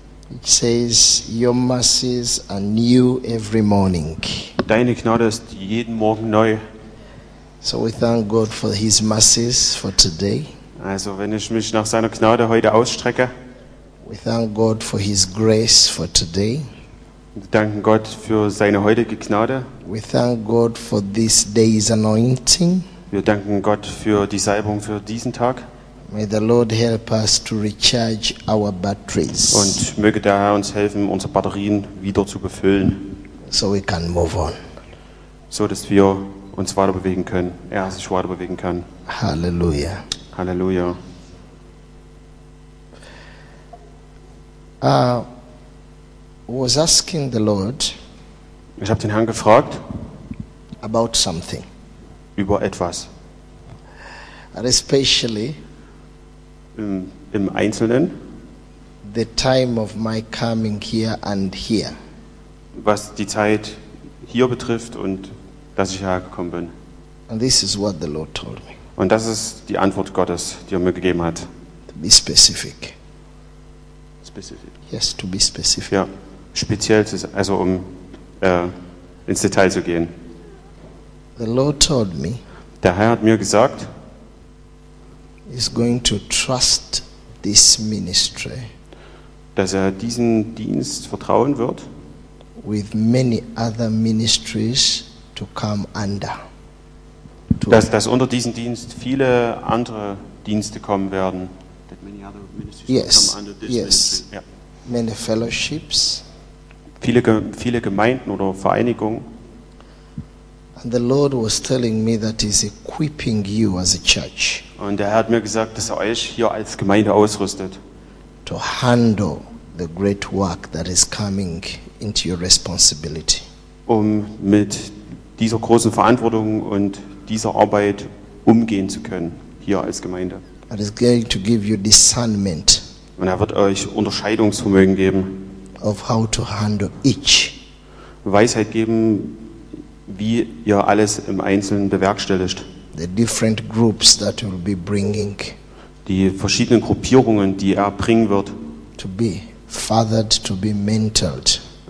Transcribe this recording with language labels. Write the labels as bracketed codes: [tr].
[en] It says, "Your mercies are new every morning." [de] Deine Gnade ist jeden Morgen neu. [en] So we thank God for His mercies for today. [de] Also, wenn ich mich nach seiner Gnade heute ausstrecke. [en] We thank God for His grace for today. [de] Wir danken Gott für seine heutige Gnade. [en] We thank God for this day's anointing. [de] Wir danken Gott für die Salbung für diesen Tag. [en] May the Lord help us to recharge our batteries. [de] Und möge der Herr uns helfen, unsere Batterien wieder zu befüllen. [en] So we can move on. [de] So dass wir uns weiter bewegen können. Er sich weiter bewegen kann. Halleluja. Halleluja. [en] Was asking the Lord. [de] Ich habe den Herrn gefragt. [en] About something. [de] Über etwas. [en] And especially. [de] Im Einzelnen. [en] The time of my coming here and here. [de] Was die Zeit hier betrifft und dass ich hierher gekommen bin. [en] And this is what the Lord told me. [de] Und das ist die Antwort Gottes, die er mir gegeben hat. [en] To be specific. Specific. Yes, to be specific. [de] Ja, speziell, also um ins Detail zu gehen. [en] The Lord told me, [de] der Herr hat mir gesagt, [en] he's going to trust this ministry, [de] dass er diesen Dienst vertrauen wird, [en] with many other ministries to come under. [de] Dass unter diesen Dienst viele andere Dienste kommen werden. [en] Yes. Yes. Yeah. Many fellowships. [de] Viele Gemeinden oder Vereinigungen. [en] And the Lord was telling me that He's equipping you as a church. [de] Und der Herr hat mir gesagt, dass er euch hier als Gemeinde ausrüstet. [en] To handle the great work that is coming into your responsibility. [de] Um mit dieser großen Verantwortung und dieser Arbeit umgehen zu können hier als Gemeinde. [en] And is going to give you discernment. [de] Und er wird euch Unterscheidungsvermögen geben. [en] Of how to handle each. [de] Weisheit geben, wie ihr alles im Einzelnen bewerkstelligt. [en] The different groups that will be bringing. [de] Die verschiedenen Gruppierungen, die er bringen wird. [en] To be fathered, to be mentored.